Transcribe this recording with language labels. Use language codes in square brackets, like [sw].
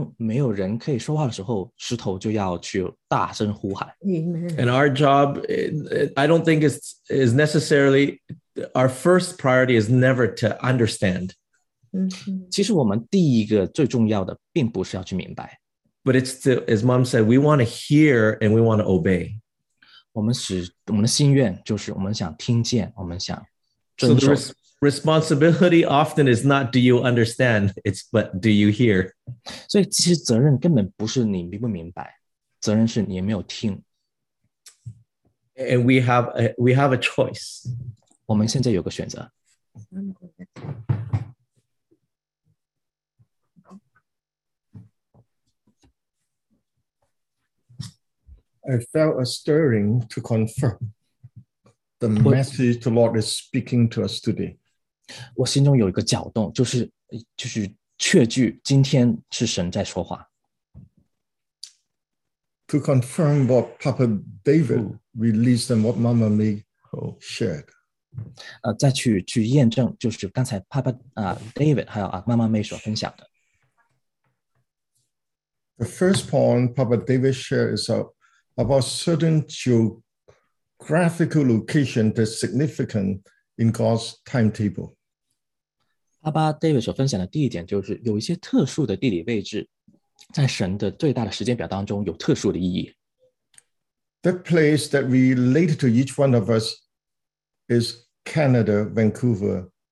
[zh] 我知道有时候就是当没有人可以说话的时候, 石头就要去大声呼喊。 [en] And our job, I don't think is necessarily, our first priority is never to understand. [zh] 其实我们第一个最重要的并不是要去明白。 [en] But it's to, as Mom said, we want to hear and we want to obey. [zh] 我们的心愿就是我们想听见,我们想遵守。 [en] So responsibility often is not do you understand, it's but do you hear. [zh] 所以其实责任根本不是你明不明白, 责任是你也没有听。 [en] And we have a choice. [zh] 我们现在有个选择。 [en] I felt a stirring to confirm the message the Lord is speaking to us today. [zh] 我心中有一个搅动, 就是确据今天是神在说话。 [en] To confirm what Papa David released and what Mama Mei shared. [zh] 再去验证, 就是刚才 Papa David 还有 Mama Mei 所分享的。 [en] The first point Papa David shared is about certain geographical location that's significant in God's timetable. [zh] Papa David所分享的第一点就是有一些特殊的地理位置, 在神的最大的时间表当中有特殊的意义。 [en] The place that related to each one of us is Canada, Vancouver.